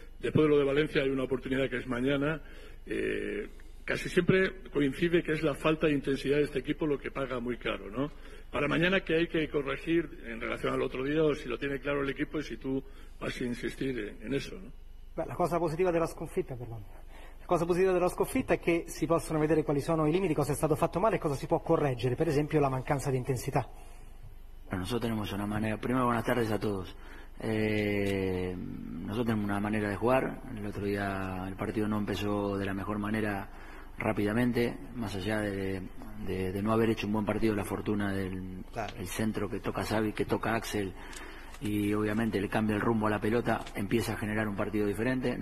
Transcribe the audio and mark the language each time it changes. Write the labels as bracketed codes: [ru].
[es] Después de lo de Valencia hay una oportunidad que es mañana. Casi siempre coincide que es la falta de intensidad de este equipo lo que paga muy caro, ¿no? Para mañana, ¿qué hay que corregir en relación al otro día o si lo tiene claro el equipo y si tú vas a insistir en eso, ¿no? [it] La cosa positiva de la sconfitta, [es] perdón. [it] Cosa positiva della sconfitta è che si possono vedere quali sono i limiti, cosa è stato fatto male e cosa si può correggere, per esempio la mancanza di intensità. [es] Nosotros tenemos una manera. Primero, buenas tardes a todos. Nosotros tenemos una manera de jugar. El otro día el partido no empezó de la mejor manera rápidamente, más allá de no haber hecho un buen partido, la fortuna del el centro que toca Xavi, que toca Axel, y obviamente el cambio del rumbo a la pelota empieza a generar un partido diferente.